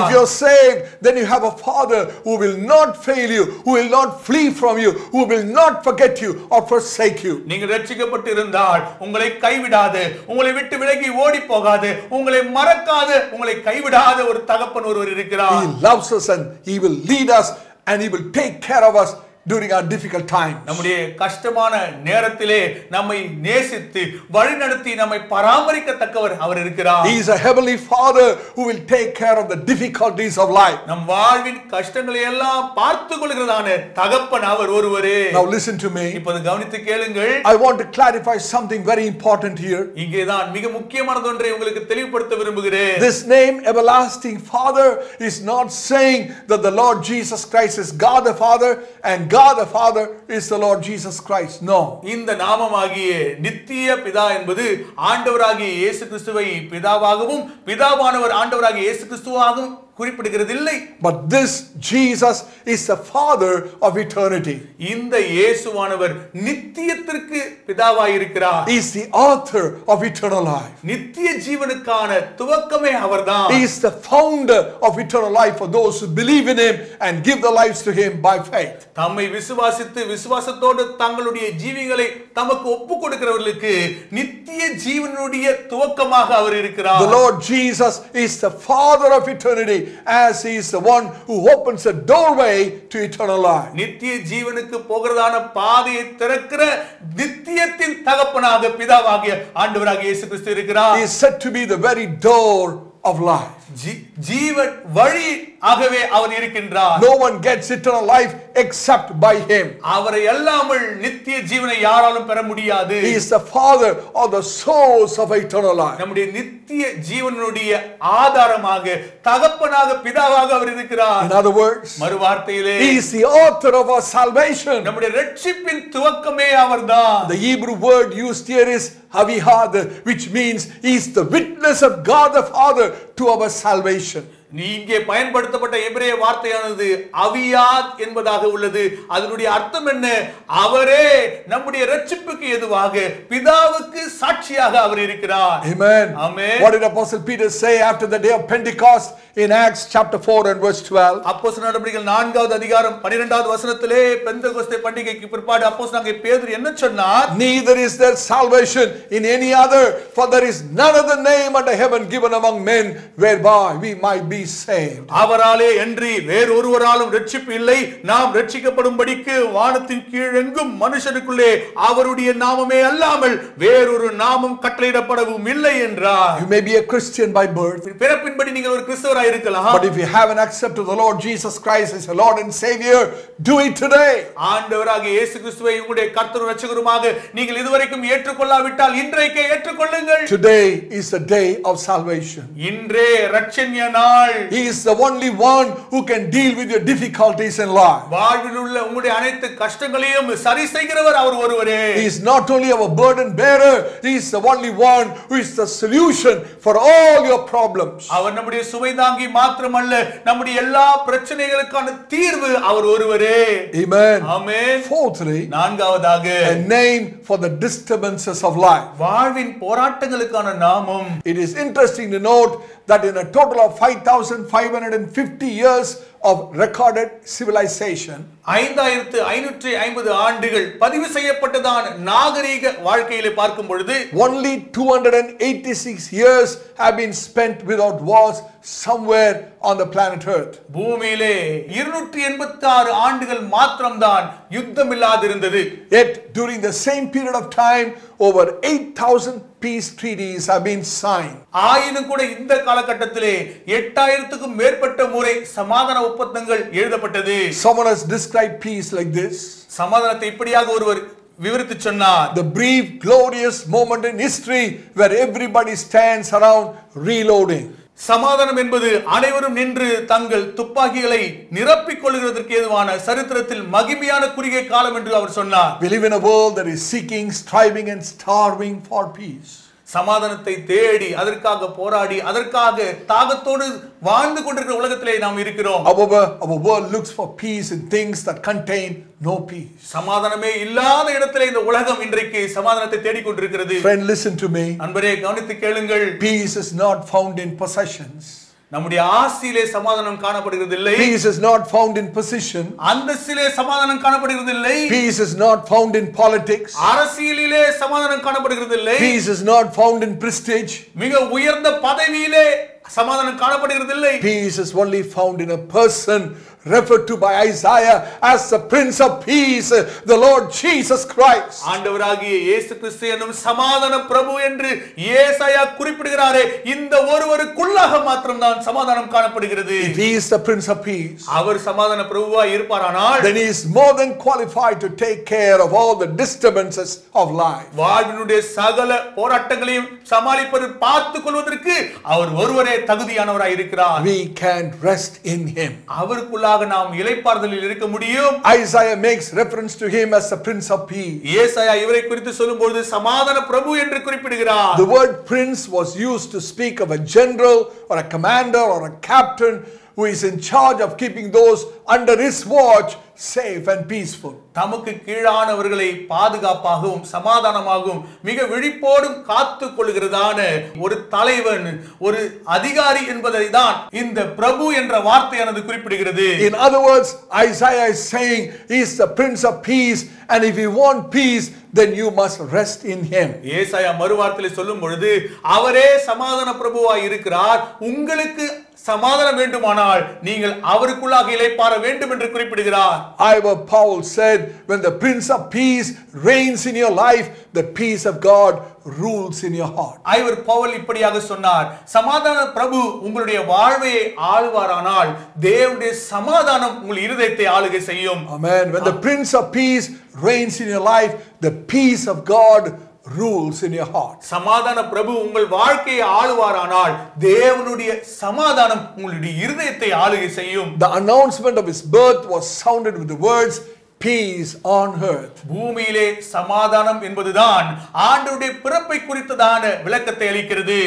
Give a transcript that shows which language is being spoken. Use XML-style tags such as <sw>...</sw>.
<en>If you are saved, then you have a father who will not fail you, who will not flee from you, who will not forget you or forsake you.</en> <ta>நீங்கள் இரட்சிக்கப்பட்டிருந்தால் உங்களை கைவிடாது உங்களை விட்டு விலகி ஓடி போகாது உங்களை மறக்காத உங்களை கைவிடாத ஒரு தகப்பன் ஒருவர் இருக்கிறார்.</ta> <en>He loves us and he will lead us and he will take care of us during our difficult times.</en> <ta>நம்முடைய கஷ்டமான நேரத்திலே நம்மை நேசித்து வழிநடத்தி நம்மை பராமரிக்க தக்கவர் அவர் இருக்கிறார்.</ta> <en>He is a heavenly father who will take care of the difficulties of life.</en> <ta>நம் வாழ்வின் கஷ்டங்களை எல்லாம் பார்த்துக்கொள்கிறதான தகப்பன் அவர் ஒருவரே.</ta> <en>Now listen to me.</en> <ta>இப்போது கவனித்து கேளுங்கள்.</ta> <en>I want to clarify something very important here.</en> <ta>இங்கே தான் மிக முக்கியமான ஒன்றை உங்களுக்கு தெளிவுபடுத்த விரும்புகிறேன்.</ta> <en>This name everlasting father is not saying that the Lord Jesus Christ is God the Father and God the Father is the Lord Jesus Christ. No.</en> <ta>இந்த நாமமாகியே நித்திய பிதா என்பது ஆண்டவராகிய இயேசு கிறிஸ்துவை பிதாவாகவும் பிதாவானவர் ஆண்டவராகிய இயேசு கிறிஸ்துவாகவும் குறிப்பிடுகிறதில்லை.</ta> <en>But this Jesus is the Father of eternity.</en> <ta>இந்த இயேசுவானவர் நித்தியத்திற்கு பிதாவாய் இருக்கிறார்.</ta> <en>He is the author of eternal life.</en> <ta>நித்திய ஜீவனுக்கான துவக்கமே அவர்தான்.</ta> <en>He is the founder of eternal life for those who believe in him and give their lives to him by faith.</en> <ta>தம்மை விசுவாசித்து விசுவாசத்தோடு தங்களுடைய ஜீவிகளை தமக்கு ஒப்புக்கொடுக்கிறவர்களுக்கு நித்திய ஜீவனுடைய துவக்கமாக அவர் இருக்கிறார்.</ta> <en>The Lord Jesus is the Father of eternity, as he is the one who opens a doorway to eternal life.</en> <ta>நித்திய ஜீவனுக்கு போகிறதான பாதையை திறக்கிற நித்தியத்தின் தகப்பனாக பிதாவாகிய ஆண்டவராகிய இயேசு கிறிஸ்து இருக்கிறார்.</ta> <en>He is said to be the very door of life.</en> <ta>ஜீவன் வழி ஆகவே அவர் இருக்கின்றார்.</ta> <en>No one gets eternal life except by him.</en> <ta>அவரை அல்லாமல் நித்திய ஜீவனை யாராலும் பெற முடியாது.</ta> <en>He is the father of the source of eternal life.</en> <ta>நம்முடைய நித்திய ஜீவனுடைய ஆதாரமாக தகப்பனாக பிதாவாக அவர் இருக்கிறார்.</ta> <en>In other words,</en> <ta>மறுவார்த்தையிலே,</ta> <en>he is the author of our salvation.</en> <ta>நம்முடைய இரட்சிப்பின் துவக்கமே அவர்தான்.</ta> <en>The Hebrew word used here is Avihad, which means he is the witness of God the Father to our salvation.</en> <ta>நீங்கே பயன்படுத்தப்பட்ட எபிரேய வார்த்தையானது அவியாத் என்பதாக உள்ளது. அதனுடைய அர்த்தம் என்ன? அவரே நம்முடைய இரட்சிப்புக்கு ஏதுவாக பிதாவுக்கு சாட்சியாக அவர் இருக்கிறார்.</ta> <en>Amen.</en> <ta>Amen.</ta> <en>What did Apostle Peter say after the day of Pentecost in Acts chapter 4 and verse 12?</en> <ta>அப்போஸ்தல நடபடிகள் 4வது அதிகாரம் 12வது வசனத்திலே பெந்தெகோஸ்தே பண்டிகைக்கு பிற்பாடு அப்போஸ்தலனாகிய பேதுரு என்ன சொன்னார்?</ta> <en>Neither is there salvation in any other, for there is none other name under heaven given among men whereby we might be saved.</en> <ta>அவராலே என்று வேறு ஒருவராலும் இரட்சிப்பு இல்லை. நாம் இரட்சிக்கப்படும்படிக்கு வானத்தின் கீழ் எங்கும் மனுஷனுக்குள்ளே அவருடைய நாமமே அல்லாமல் வேறொரு நாமம் கட்டளையிடப்படவும் இல்லை என்றார்.</ta> <en>You may be a Christian by birth.</en> <ta>பிறப்பின்படி நீங்கள் ஒரு கிறிஸ்தவராய் இருக்கலாம்.</ta> <en>But if you haven't accepted the Lord Jesus Christ as your Lord and Savior, do it today.</en> <ta>ஆண்டவராகிய இயேசு கிறிஸ்துவை உங்களுடைய கர்த்தரும் இரட்சகருமாக நீங்கள் இதுவரைக்கும் ஏற்றுக்கொள்ளாவிட்டால் இன்றைக்கே ஏற்றுக்கொள்ளுங்கள்.</ta> <en>Today is the day of salvation.</en> <ta>இன்றே இரட்சணிய நாள்.</ta> <en>He is the only one who can deal with your difficulties in life.</en> <ta>வாழ்விலுள்ள உங்களுடைய அனைத்து கஷ்டங்களையும் சரி செய்கிறவர் அவர் ஒருவரே.</ta> <en>He is not only our burden bearer, he is the only one who is the solution for all your problems.</en> <ta>அவர் நம்முடைய சுமைதாங்கி மட்டுமல்ல நம்முடைய எல்லா பிரச்சனைகளுக்கான தீர்வு அவர் ஒருவரே.</ta> <en>Amen.</en> <ta>Amen.</ta> <en>Fourthly,</en> <ta>நான்காவதாக,</ta> <en>a name for the disturbances of life.</en> <ta>வாழ்வின் போராட்டங்களுக்கான நாமம்.</ta> <en>It is interesting to note that in a total of 5550 years of recorded civilization,</en> <ta>5550 ஆண்டுகள் பதிவு செய்யப்பட்டதான நாகரீக வாழ்க்கையிலே பார்க்கும் பொழுது,</ta> <en>only 286 years have been spent without wars somewhere on the planet earth.</en> <ta>பூமியிலே 286 ஆண்டுகள் மட்டும்தான் யுத்தம் இல்லாதிருந்தது.</ta> <en>Yet during the same period of time, over 8000 peace treaties have been signed.</en> <ta>ஆயினும் கூட இந்த காலகட்டத்திலே 8000க்கும் மேற்பட்ட முறை சமாதான ஒப்பந்தங்கள் எழுதப்பட்டது.</ta> <en>Someone has described peace like this.</en> <ta>சமாதானத்தை இப்படியாக ஒருவர் விவரித்து சொன்னார்.</ta> <en>The brief glorious moment in history where everybody stands around reloading.</en> <ta>சமாதானம் என்பது அனைவரும் நின்று தங்கள் துப்பாக்கிகளை நிரப்பிக் கொள்கிறதற்கு ஏதுவான சரித்திரத்தில் மகிமையான குறுகிய காலம் என்று அவர் சொன்னார்.</ta> <en>Believe in a world that is seeking, striving and starving for peace.</en> <ta>சமாதானத்தை தேடி அதற்காக போராடி அதற்காக தாகத்தோடு வாழ்ந்து கொண்டிருக்கிற உலகத்திலே நாம் இருக்கிறோம்.</ta> <en>However, our world looks for peace in things that contain no peace.</en> <ta>சமாதானமே இல்லாத இடத்திலே இந்த உலகம் இன்றைக்கு சமாதானத்தை தேடிக் கொண்டிருக்கிறது.</ta> <en>Friend, listen to me.</en> <ta>அன்பரே கவனித்து கேளுங்கள்.</ta> <en>Peace is not found in possessions.</en> <ta>நம்முடைய ஆசியிலே சமாதானம் காணப்படுகிறது இல்லை.</ta> <en>Peace is not found in position.</en> <ta>அந்தஸ்திலே சமாதானம் காணப்படுகிறது இல்லை.</ta> <en>Peace is not found in politics.</en> <ta>அரசியலிலே சமாதானம் காணப்படுகிறது இல்லை.</ta> <en>Peace is not found in prestige.</en> <ta>மிக உயர்ந்த பதவியிலே சமாதானம் காணப்படுகிறது இல்லை.</ta> <en>Peace is only found in a person referred to by Isaiah as the Prince of Peace, the Lord Jesus Christ.</en> <ta>ஆண்டவராகிய இயேசு கிறிஸ்து எனும் சமாதான பிரபு என்று ஏசாயா குறிப்பிடுகிறாரே, இந்த ஒருவருக்குள்ளாக மட்டும்தான் சமாதானம் காணப்படுகிறது.</ta> <en>He is the Prince of Peace.</en> <ta>அவர் சமாதான பிரபுவாய் இருப்பாரானால்,</ta> <en>then he is more than qualified to take care of all the disturbances of life.</en> <ta>வாழ்வினுடைய சகல போராட்டங்களையும் சமாளிப்பது பார்த்துக் கொள்வதற்கு அவர் ஒருவரே தகுதியானவராய் இருக்கிறார்.</ta> <en>We can rest in him.</en> <ta>அவர் உள்ளாக நாம் இளைப்பாறுதலில் இருக்க முடியும்.</ta> <en>Isaiah makes reference to him as the Prince of Peace.</en> <ta>ஏசாயா இவரை குறித்து சொல்லும்போது சமாதான பிரபு என்று குறிப்பிடுகிறார்.</ta> <en>The word prince was used to speak of a general or a commander or a captain who is in charge of keeping those under his watch safe and peaceful.</en> <ta>தமக்கு கீழானவர்களை பாதுகாப்பாகவும் சமாதானமாகவும் மிக விழிப்போடும் காத்துக் கொள்கிறதான ஒரு தலைவன் ஒரு அதிகாரி என்பதைதான் இந்த பிரபு என்ற வார்த்தையானது குறிப்பிடுகிறது.</ta> <en>In other words, Isaiah is saying he is the Prince of Peace, and if you want peace, then you must rest in him.</en> <ta>ஏசாயா மறுவார்த்தையில் சொல்லும் பொழுது அவரே சமாதான பிரபுவாய் இருக்கிறார், உங்களுக்கு சமாதானம் வேண்டுமானால் நீங்கள் அவருக்குள்ளாக இளைப்பாற வேண்டும் என்று குறிப்பிடுகிறார்.</ta> <en>Ivor Paul said, when the Prince of Peace reigns in your life, the peace of God rules in your heart.</en> <ta>Ivor Paul இப்படியாக சொன்னார், சமாதான பிரபு உங்களுடைய வாழ்வை ஆளுவாரானால் தேவனுடைய சமாதானம் உங்கள் இருதயத்தை ஆளுகை செய்யும்.</ta> <en>Amen. When the Prince of Peace reigns in your life, the peace of God rules in your heart.</en> <ta>சமாதான பிரபு உங்கள் வாழ்க்கையை ஆளுவாரானால் தேவனுடைய சமாதானம் உங்களுடைய இருதயத்தை ஆளுகை செய்யும்.</ta> <en>The announcement of his birth was sounded with the words, peace on earth.</en> <ta>பூமியிலே சமாதானம் என்பதுதான் ஆண்டவருடைய பிறப்பை குறித்ததான விளக்கத்தை அளிக்கிறது.</ta>